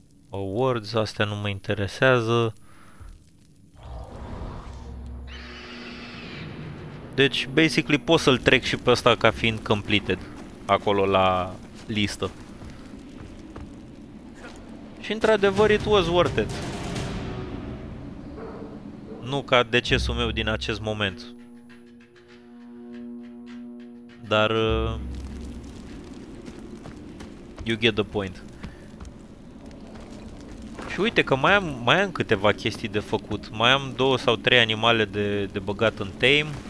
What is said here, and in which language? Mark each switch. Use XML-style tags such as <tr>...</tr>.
<ro>Awards, astea nu mă interesează. Deci, basically, pot să-l trec și pe ăsta ca fiind completed acolo la listă. Și într-adevăr,</ro> <en>it was worth it.</en> <ro>Nu ca decesul meu din acest moment. Dar...</ro> <en>you get the point.</en> <ro>Și uite că mai am câteva chestii de făcut. Mai am două sau trei animale de băgat în tame.</ro>